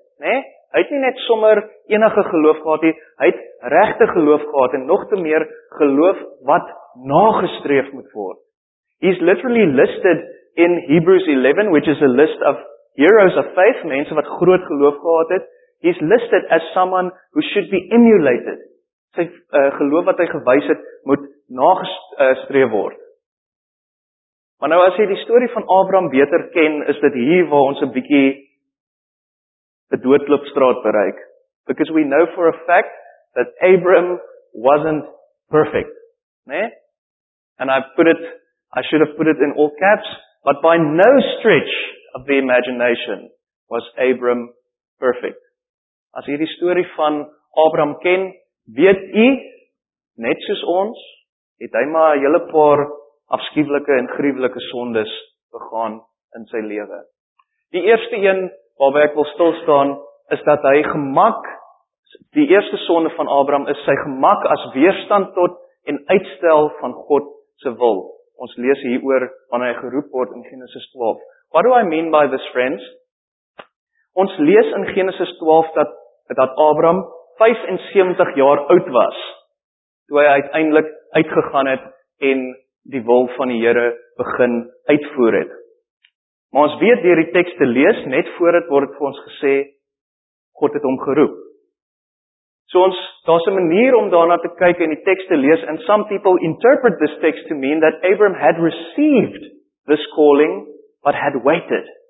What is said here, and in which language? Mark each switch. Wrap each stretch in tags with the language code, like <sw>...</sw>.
<af>Nee? Hy het nie net sommer enige geloof gehad nie, hy het regte geloof gehad en nog te meer geloof wat nagestreef moet word.</af> <en>He's literally listed in Hebrews 11, which is a list of heroes of faith,</en> <af>mense wat groot geloof gehad het.</af> <en>He's listed as someone who should be emulated.</en> <af>Sy geloof wat hy gewys het, moet nagestreef word. Maar nou, as jy die story van Abraham beter ken, is dit hier waar ons 'n bietjie 'n doodloopstraat bereik.</af> <en>Because we know for a fact that Abraham wasn't perfect.</en> <af>Né?</af> <en>And I should have put it in all caps, but by no stretch of the imagination was Abram perfect.</en> <af>As jy die story van Abraham ken, weet jy, net soos ons, het hy maar 'n hele paar afskuwelike en gruwelike sondes begaan in sy lewe. Die eerste een waarby ek wil stil staan, is dat hy gemak, die eerste sonde van Abraham is sy gemak as weerstand tot en uitstel van God se wil. Ons lees hieroor wanneer hy geroep word in Genesis 12.</af> <en>What do I mean by this, friends?</en> <af>Ons lees in Genesis 12 dat Abraham 75 jaar oud was toe hy uiteindelik uitgegaan het en die wil van die Here begin uitvoer het. Maar ons weet deur die teks te lees, net voor dit word vir ons gesê God het hom geroep. So ons, daar's 'n manier om daarna te kyk en die teks te lees,</af> <en>and some people interpret this text to mean that Abram had received this calling but had waited.</en>